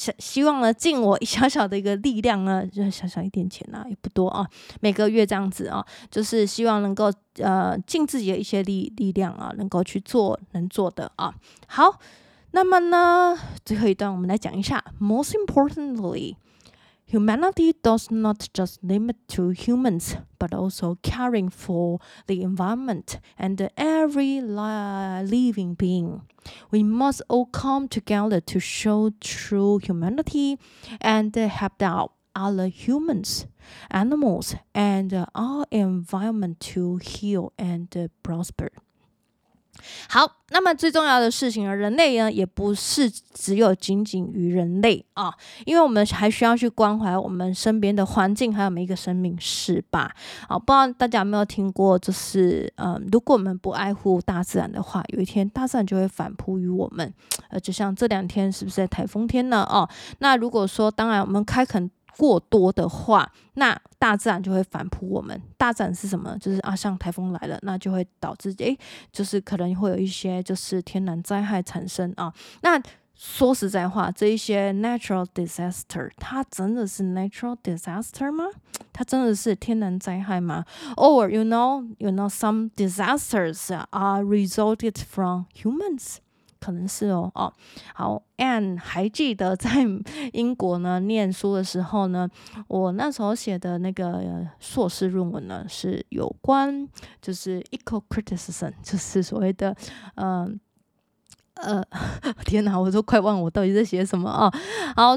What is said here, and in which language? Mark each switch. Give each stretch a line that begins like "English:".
Chinese: 希望呢尽我小小的一个力量呢，就是小小一点钱啊，也不多啊，每个月这样子啊，就是希望能够尽自己的一些力量啊，能够去做能做的啊。好，那么呢，最后一段我们来讲一下 ，
English: most importantly。 Humanity does not just limit to humans, but also caring for the environment and every living being. We must all come together to show true humanity and help out other humans, animals, and our environment to heal and prosper.
Chinese: 好，那么最重要的事情，人类呢也不是只有仅仅于人类啊，因为我们还需要去关怀我们身边的环境，还有每一个生命，是吧？啊，不知道大家有没有听过，就是如果我们不爱护大自然的话，有一天大自然就会反扑于我们。就像这两天是不是在台风天呢？哦，那如果说当然我们开垦过多的话，那大自然就会反扑我们。大自然是什么？就是啊，像台风来了，那就会导致哎，就是可能会有一些就是天然灾害产生啊。那说实在话，这一些 natural disaster， 它真的是 natural disaster 吗？它真的是天然灾害吗
English: ？Or you know some disasters are resulted from humans?
Chinese: 可能是哦，哦，好 ，Anne 还记得在英国呢念书的时候呢，我那时候写的那个硕士论文呢是有关就是 eco criticism， 就是所谓的天哪，我都快忘我到底在写什么啊，哦！